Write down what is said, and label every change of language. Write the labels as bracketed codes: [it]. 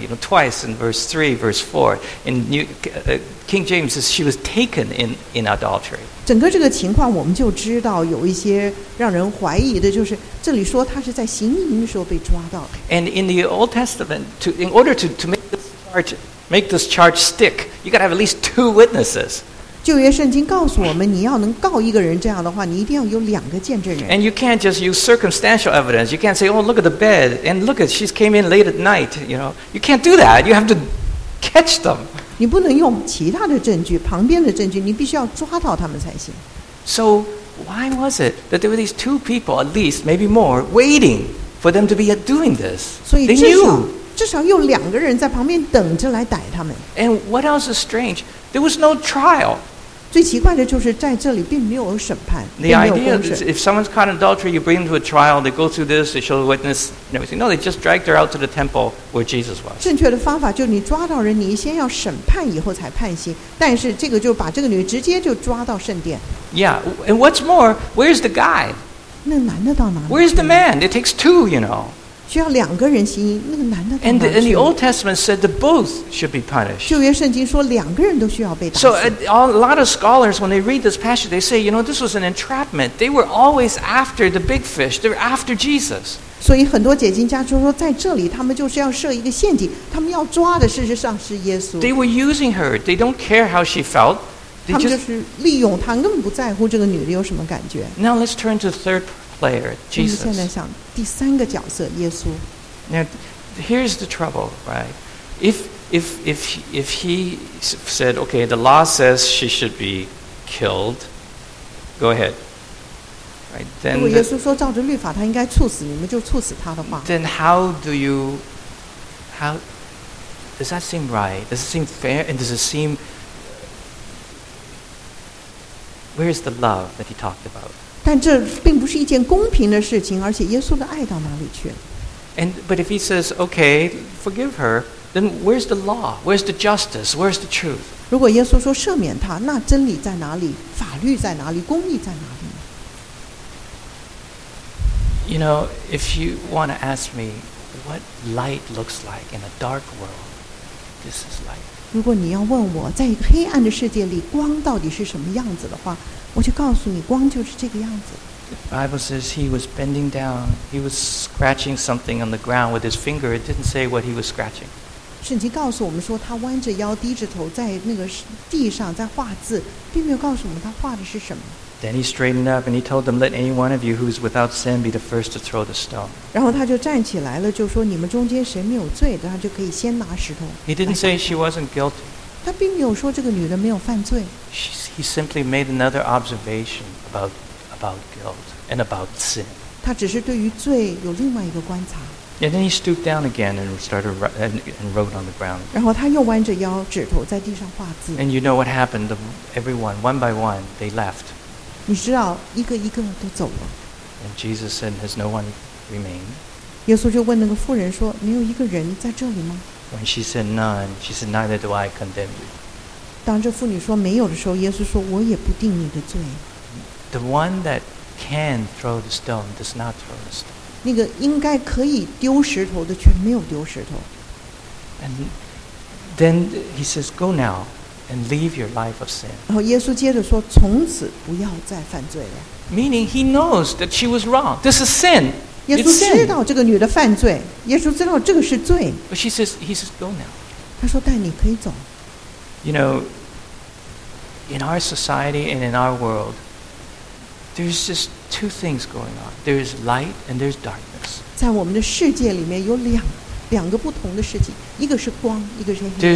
[en] You know, twice in verse 3, verse 4. In New King James says she was taken in adultery. [zh] 整个这个情况，我们就知道有一些让人怀疑的，就是这里说她是在行淫的时候被抓到。 [en] And in the Old Testament, in order to make this charge stick, you got to have at least two witnesses. [zh] 旧约圣经告诉我们，你要能告一个人这样的话，你一定要有两个见证人。 [en] And you can't just use circumstantial evidence. You can't say, "Oh, look at the bed, and look at she's came in late at night." You know, you can't do that. You have to catch them. [zh] 你不能用其他的证据，旁边的证据，你必须要抓到他们才行。 [en] So why was it that there were these two people, at least maybe more, waiting for them to be doing this? [zh] 所以至少有两个人在旁边等着来逮他们。 [en] And what else is strange? There was no trial. [zh] 最奇怪的就是在这里并没有审判。 [en] The idea is if someone's caught in adultery, you bring them to a trial, they go through this, they show the witness and everything. No, they just dragged her out to the temple where Jesus was. [zh] 正确的方法就是你抓到人，你先要审判，以后才判刑。但是这个就把这个女直接就抓到圣殿。 [en] Yeah, and what's more, where's the guy? [zh] 那男的到哪里去？ [en] Where's the man? It takes two, you know. [zh] 需要两个人行淫，那个男的到哪里去？ [en] And the Old Testament said that both should be punished. [zh] 旧约圣经说两个人都需要被打死。 [en] So a lot of scholars, when they read this passage, they say, you know, this was an entrapment. They were always after the big fish. They're after Jesus. [zh] 所以很多解经家就说，在这里他们就是要设一个陷阱，他们要抓的事实上是耶稣。 [en] They were using her. They don't care how she felt. [zh] 他们就是利用他，根本不在乎这个女的有什么感觉。 [en] Now let's turn to the third player, Jesus. [zh] 现在想第三个角色耶稣。 [en] Now, here's the trouble, right? If he said, okay, the law says she should be killed, go ahead. Right? Then [zh] 如果耶稣说照着律法他应该处死，你们就处死他的话。 [en] Then how do you, how does that seem right? Does it seem fair? And does it seem Where is the love that he talked about? [zh] 但这并不是一件公平的事情，而且耶稣的爱到哪里去了？ [en] And but if he says, "Okay, forgive her," then where's the law? Where's the justice? Where's the truth? [zh] 如果耶稣说赦免他，那真理在哪里？法律在哪里？公义在哪里？ [en] You know, if you want to ask me what light looks like in a dark world, this is light. [zh] 如果你要问我在一个黑暗的世界里光到底是什么样子的话，我就告诉你，光就是这个样子。 [en] The Bible says he was bending down, he was scratching something on the ground with his finger. It didn't say what he was scratching. [zh] 圣经告诉我们说他弯着腰低着头在那个地上在画字，并没有告诉我们他画的是什么。 [en] Then he straightened up and he told them, let any one of you who is without sin be the first to throw the stone. [zh] 然后他就站起来了，就说你们中间谁没有罪的，他就可以先拿石头。 [en] He didn't say she wasn't guilty. [zh] 他并没有说这个女的没有犯罪。 [en] He simply made another observation about guilt and about sin. [zh] 他只是对于罪有另外一个观察。 [en] And then he stooped down again and started and wrote on the ground. [zh] 然后他又弯着腰，指头在地上画字。 [en] And you know what happened? Everyone, one by one, they left. [zh] 你知道，一个一个都走了。 [en] And Jesus said, "Has no one remained?" [zh] 耶稣就问那个妇人说，没有一个人在这里吗？ [en] When she said none, she said, "Neither do I condemn you." [zh] 当这妇女说没有的时候，耶稣说，我也不定你的罪。 [en] The one that can throw the stone does not throw the stone. [zh] 那个应该可以丢石头的却没有丢石头。 [en] And then he says, go now and leave your life of sin. [zh] 然后耶稣接着说从此不要再犯罪了。 [en] Meaning he knows that she was wrong. This is sin. [zh] 耶稣知道这个女的犯罪，耶稣知道这个是罪。 [en] But he says, go now. [zh] 他说但你可以走。 [en] You know, in our society and in our world,There's just two things going on. There's light and there's darkness. [zh] 在我们的世界里面有两个不同的事情，一个是光，一个是黑暗。